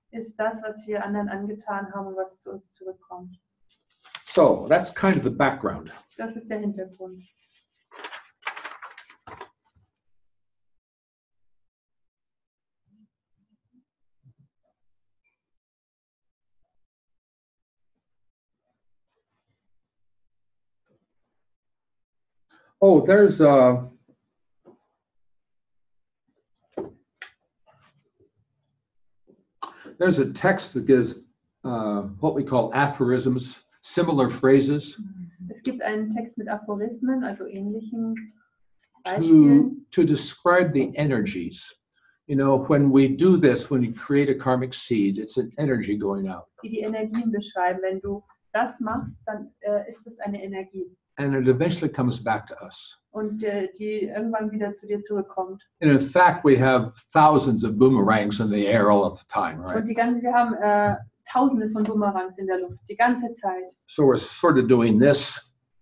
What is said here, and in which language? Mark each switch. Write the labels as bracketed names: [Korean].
[German] Ist das, was wir anderen angetan haben, was zu uns zurückkommt. [English] So that's kind of the background. [German] Das ist der Hintergrund. [English] Oh, there's a. There's a text that gives what we call aphorisms, similar phrases. [German] Es gibt einen Text mit Aphorismen, also ähnlichen Beispielen. [English] To describe the energies. You know, when we do this, when you create a karmic seed, it's an energy going out. [German] Die Energien beschreiben. Wenn du das machst, dann ist es eine Energie. [English] And it eventually comes back to us. [German] Und die irgendwann wieder zu dir zurückkommt. [English] And in fact, we have thousands of boomerangs in the air all of the time, right? [German] Und die ganze, wir haben tausende von Boomerangs in der Luft, die ganze Zeit. [English] So we're sort of doing this.